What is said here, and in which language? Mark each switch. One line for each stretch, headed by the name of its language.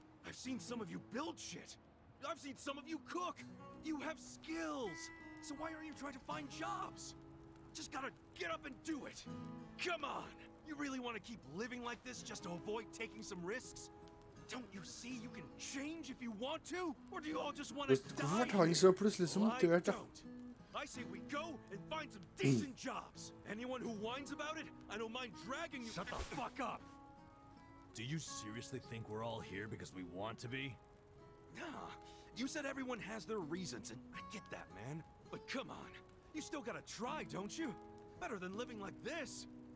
English: I've seen some of you build shit. I've seen some of you cook. You have skills. So why are you trying to find jobs? Just gotta get up and do it. Come on. You really want to keep living like this just to avoid taking some risks? Don't you see you can change if you want to? Or do you all just want to die?
Norwegian: Hvorfor tar han så plutselig så motivert, da?
English: I say we go and find some decent jobs. Anyone who whines about it, I don't mind dragging you. Shut the fuck up. Do you seriously think we're all here because we want to be? Nah, you said everyone has their reasons, and I get that, man. But come on, you still gotta try, don't you? Better than living like this.